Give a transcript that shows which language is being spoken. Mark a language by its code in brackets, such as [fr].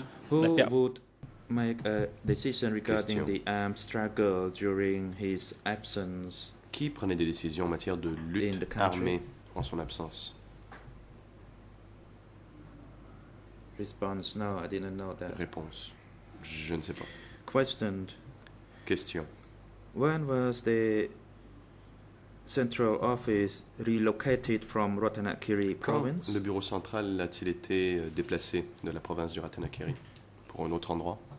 [en] Who would make a decision regarding the armed struggle during his absence? [fr] Qui prenait des décisions en matière de lutte armée en son absence? [en] Response: No, I didn't know that. [fr] Réponse: Je ne sais pas. [en] Question: When was the central office relocated from Ratanakiri province? [fr] Quand le bureau central a-t-il été déplacé de la province du Ratanakiri pour un autre endroit?